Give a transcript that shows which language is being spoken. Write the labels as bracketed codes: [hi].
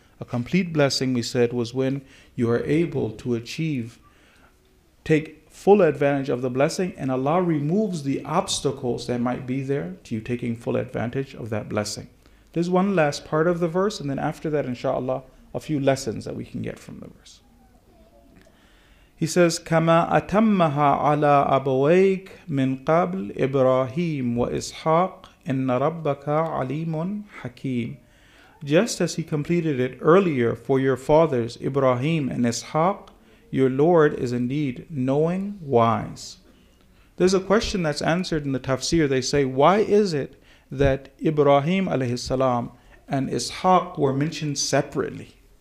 [en] A complete blessing, we said, was when you are able to achieve, take full advantage of the blessing, and Allah removes the obstacles that might be there to you taking full advantage of that blessing. There's one last part of the verse, and then after that, inshallah, a few lessons that we can get from the verse. He says, [ar] كَمَا أَتَمَّهَا عَلَىٰ أَبَوَيْكَ مِنْ قَبْلِ إِبْرَاهِيمَ وَإِسْحَاقَ إِنَّ رَبَّكَ عَلِيمٌ حَكِيمٌ. [en] Just as he completed it earlier for your fathers, Ibrahim and Ishaq, your Lord is indeed knowing, wise. There's a question that's answered in the tafsir. They say, why is it that Ibrahim alayhi salam and Ishaq were mentioned separately?